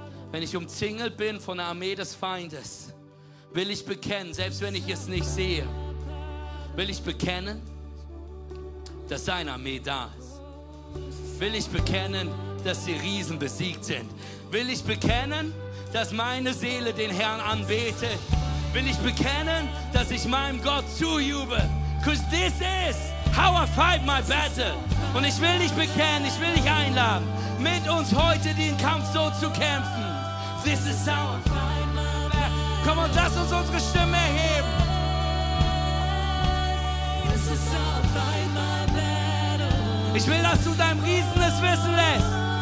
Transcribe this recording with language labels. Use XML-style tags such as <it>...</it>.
<de>Wenn ich umzingelt bin von der Armee des Feindes, will ich bekennen, selbst wenn ich es nicht sehe, will ich bekennen, dass seine Armee da ist. Will ich bekennen, dass die Riesen besiegt sind? Will ich bekennen, dass meine Seele den Herrn anbetet? Will ich bekennen, dass ich meinem Gott zujubel?</de> <en>Because this is how I fight my battle.</en> <de>Und ich will dich bekennen, ich will dich einladen, mit uns heute den Kampf so zu kämpfen.</de> <en>This is how I fight my battle.</en> <de>Komm und lass uns unsere Stimme erheben.</de> <en>This is how I fight my battle.</en> <de>Ich will, dass du deinem Riesen es wissen lässt.</de>